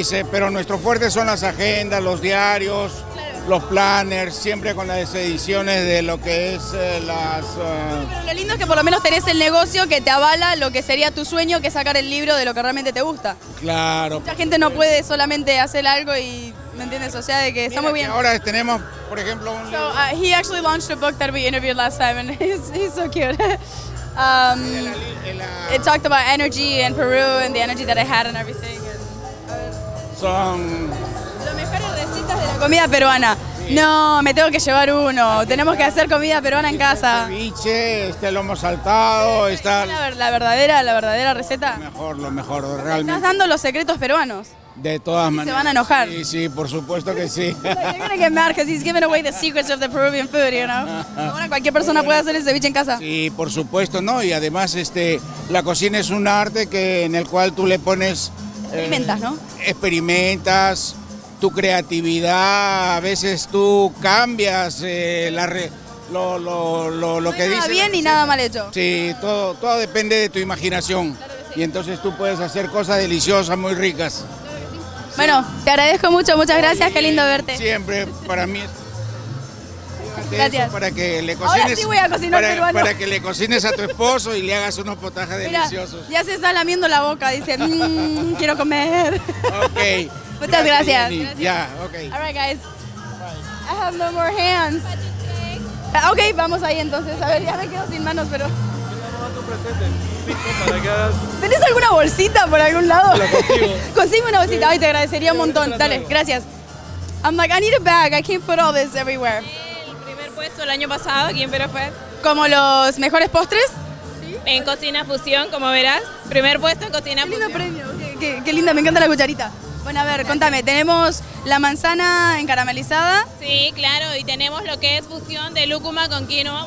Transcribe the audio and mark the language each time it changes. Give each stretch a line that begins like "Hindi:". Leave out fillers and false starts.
Spanish: Pero nuestro fuerte son las agendas, los diarios, claro, los planners, siempre con las ediciones de lo que es las... Pero lo lindo es que por lo menos tenés el negocio que te avala lo que sería tu sueño, que es sacar el libro de lo que realmente te gusta. Claro. Mucha gente no puede solamente hacer algo y... ¿me entiendes? O sea, de que está muy bien. Ahora tenemos, por ejemplo, un libro.
English: He actually launched a book that we interviewed last time, and he's so cute. It talked about energy in Peru and the energy that I had and everything.
Spanish: Son las mejores recetas de la comida peruana. No, me tengo que llevar uno. Tenemos que hacer comida peruana en casa. Ceviche, este lomo saltado, está. La verdadera receta. Lo mejor, realmente. Estás dando los secretos peruanos. De todas maneras. Se van a enojar. Sí, sí, por supuesto que sí.
English: You're gonna get mad because he's giving away the secrets of the Peruvian food, you know.
Spanish: Ahora cualquier persona puede hacer el ceviche en casa. Sí, por supuesto, no. Y además, la cocina es un arte que en el cual tú le pones. Experimentas, ¿no? Experimentas. Tu creatividad, a veces tú cambias lo que dices. Nada bien y nada mal hecho. Sí, todo depende de tu imaginación. Claro que sí. Y entonces tú puedes hacer cosas deliciosas, muy ricas. Claro que sí. Sí. Bueno, te agradezco mucho, muchas gracias, qué lindo verte. Siempre, para mí es. Gracias. Para que le cocines. Ahora sí voy a cocinar peruano. Para que le cocines a tu esposo y le hagas unos potajes deliciosos. Ya se está lamiendo la boca, dice, quiero comer. Ok. Muchas gracias.
English: Yeah, okay. All right, guys. Bye. I have no more hands. Okay,
Spanish: vamos ahí entonces. A ver, ya me quedo sin manos, pero. ¿Tienes alguna bolsita por algún lado? Consigue una bolsita. Ay, te agradecería un montón. Dale, gracias.
English: I'm like, I need a bag. I can't put all this everywhere.
Spanish: El primer puesto el año pasado aquí en Perú fue. ¿Como los mejores postres? En cocina fusión, como verás. Primer puesto en cocina fusión. Lindo premio. Qué linda. Me encanta la cucharita. Bueno, a ver, contame, tenemos la manzana encaramelizada. Sí, claro, y tenemos lo que es fusión de lúcuma con quinoa.